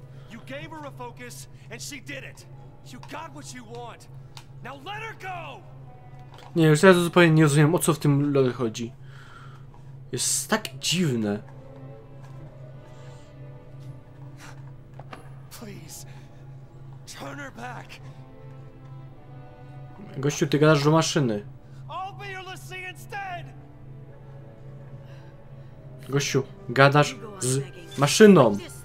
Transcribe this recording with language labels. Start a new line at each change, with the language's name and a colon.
English: You gave her a focus, and she did it. You got what you want. Now let her go.
Polish: Nie, już teraz zupełnie nie rozumiem, o co w tym lore chodzi. Jest tak dziwne.
English: Please, turn her back.
Polish: Gościu, ty gadasz do maszyny.
English: I'll be your Lassie instead.
Polish: Gościu, gadasz z maszyną.